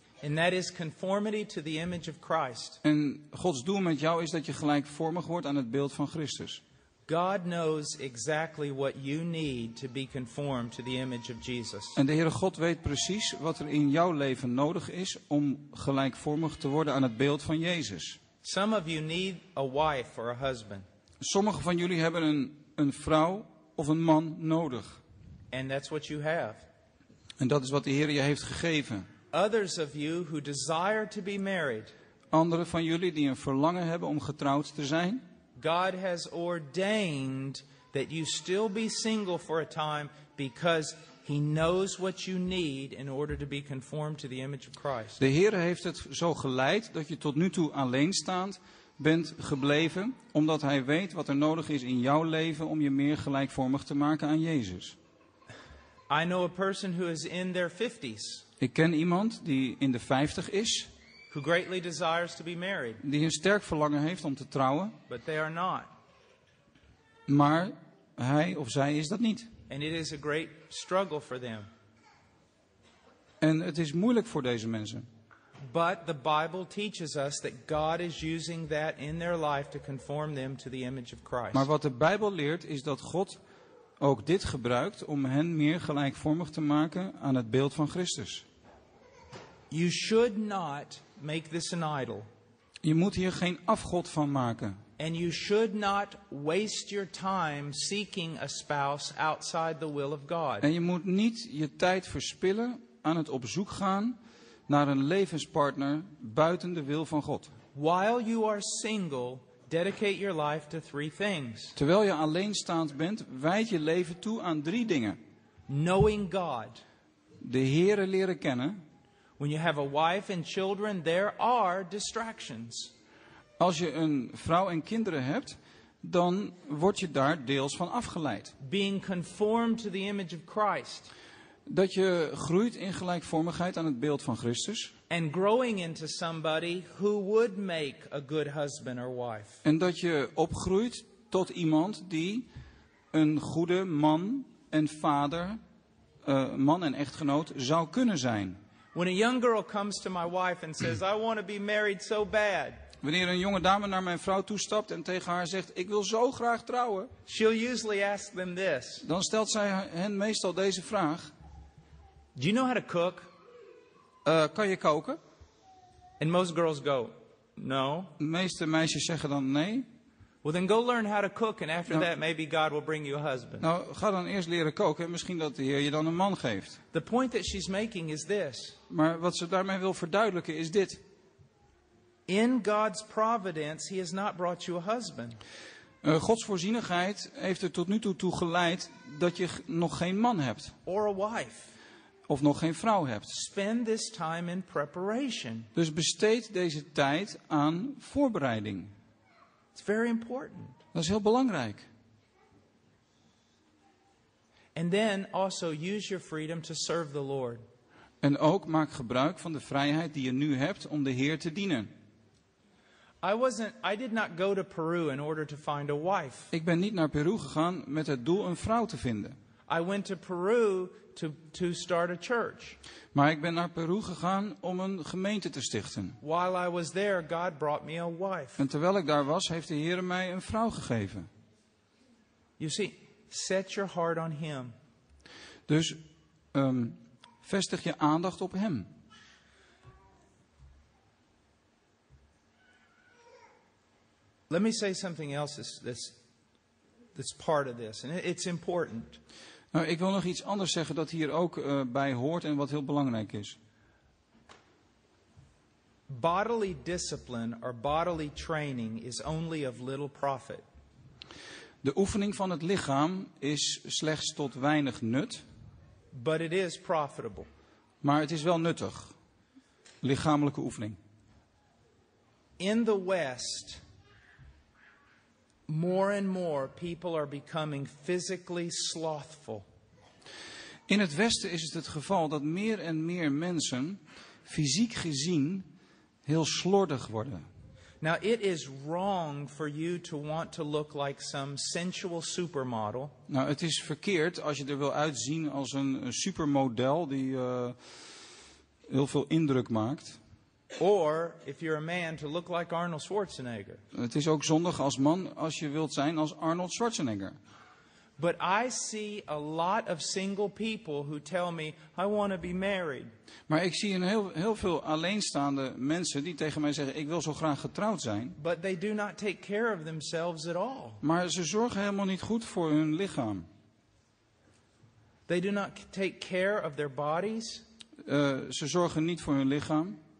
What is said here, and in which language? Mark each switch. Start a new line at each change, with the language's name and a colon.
English: And that is conformity to the image of Christ.
Dutch: En Gods doel met jou is dat je gelijkvormig wordt aan het beeld van Christus.
English: God knows exactly what you need to be conformed to the image of Jesus.
Dutch: En de Heere God weet precies wat er in jouw leven nodig is om gelijkvormig te worden aan het beeld van Jezus.
English: Some of you need a wife or a husband.
Dutch: Sommigen van jullie hebben een vrouw of een man nodig.
English: And that's what you have.
Dutch: En dat is wat de Heer je heeft gegeven.
English: Others of you who desire to be married.
Dutch: Anderen van jullie die een verlangen hebben om getrouwd te zijn.
English: God has ordained that you still be single for a time because he knows what you need in order to be conformed to the image of Christ.
Dutch: De Heer heeft het zo geleid dat je tot nu toe alleenstaand bent gebleven, omdat hij weet wat er nodig is in jouw leven om je meer gelijkvormig te maken aan Jezus.
English: I know a person who is in their 50s.
Dutch: Ik ken iemand die in de 50 is.
English: Who greatly desires to be married.
Dutch: Die een sterk verlangen heeft om te trouwen.
English: But they are not.
Dutch: Maar hij of zij is dat niet.
English: And it is a great struggle for them.
Dutch: En het is moeilijk voor deze mensen.
English: But the Bible teaches us that God is using that in their life to conform them to the image of Christ.
Dutch: Maar wat de Bijbel leert is dat God ook dit gebruikt om hen meer gelijkvormig te maken aan het beeld van Christus.
English: You should not make this an idol.
Dutch: Je moet hier geen afgod van maken.
English: And you should not waste your time seeking a spouse outside the will of God.
Dutch: En je moet niet je tijd verspillen aan het op zoek gaan naar een levenspartner buiten de wil van God.
English: While you are single, dedicate your life to three things.
Dutch: Terwijl je alleenstaand bent, wijd je leven toe aan drie dingen.
English: Knowing God.
Dutch: De Heere leren kennen.
English: When you have a wife and children, there are distractions.
Dutch: Als je een vrouw en kinderen hebt, dan word je daar deels van afgeleid.
English: Being conformed to the image of Christ.
Dutch: Dat je groeit in gelijkvormigheid aan het beeld van Christus.
English: And growing into somebody who would make a good husband or wife.
Dutch: En dat je opgroeit tot iemand die een goede man en vader, man en echtgenoot zou kunnen zijn.
English: When a young girl comes to my wife and says, I want to be married so bad.
Dutch: Wanneer een jonge dame naar mijn vrouw toestapt en tegen haar zegt, ik wil zo graag trouwen.
English: She'll usually ask them this.
Dutch: Dan stelt zij hen meestal deze vraag.
English: Do you know how to cook?
Dutch: Kan je koken?
English: And most girls go, no.
Dutch: De meeste meisjes zeggen dan nee.
English: Well then go learn how to cook and after that maybe God will bring you a husband.
Dutch: Nou, ga dan eerst leren koken en misschien dat de Heer je dan een man geeft.
English: The point that she's making is this.
Dutch: Maar wat ze daarmee wil verduidelijken is dit.
English: In God's providence he has not brought you a husband.
Dutch: Gods voorzienigheid heeft er tot nu toe toe geleid dat je nog geen man hebt.
English: Or a wife.
Dutch: Of nog geen vrouw hebt.
English: Spend this time in preparation.
Dutch: Dus besteed deze tijd aan voorbereiding.
English: It's very important.
Dutch: Dat is heel belangrijk.
English: And then also use your freedom to serve the Lord.
Dutch: En ook maak gebruik van de vrijheid die je nu hebt om de Heer te dienen.
English: I did not go to Peru in order to find a wife.
Dutch: Ik ben niet naar Peru gegaan met het doel een vrouw te vinden.
English: I went to Peru to start a church.
Dutch: Maar ik ben naar Peru gegaan om een gemeente te stichten.
English: While I was there, God brought me a wife.
Dutch: En terwijl ik daar was, heeft de Heer mij een vrouw gegeven.
English: You see, set your heart on him.
Dutch: Dus vestig je aandacht op hem.
English: Let me say something else that's part of this, and it's important.
Dutch: Nou, ik wil nog iets anders zeggen dat hier ook bij hoort en wat heel belangrijk is.
English: Bodily discipline or bodily training is only of little profit.
Dutch: De oefening van het lichaam is slechts tot weinig nut.
English: But it is profitable.
Dutch: Maar het is wel nuttig. Lichamelijke oefening.
English: In the West, more and more people are becoming physically slothful.
Dutch: In het Westen is het het geval dat meer en meer mensen fysiek gezien heel slordig worden.
English: Now it is wrong for you to want to look like some sensual supermodel.
Dutch: Nou, het is verkeerd als je er wil uitzien als een supermodel die heel veel indruk maakt.
English: Or if you're a man to look like Arnold Schwarzenegger.
Dutch: Het is ook zondig als man als je wilt zijn als Arnold Schwarzenegger.
English: But I see a lot of single people who tell me I want to be married.
Dutch: Maar ik zie een heel veel alleenstaande mensen die tegen mij zeggen ik wil zo graag getrouwd zijn.
English: But they do not take care of themselves at all.
Dutch: Maar ze zorgen helemaal niet goed voor hun lichaam.
English: They do not take care of their bodies.
Dutch: Ze zorgen niet voor hun lichaam.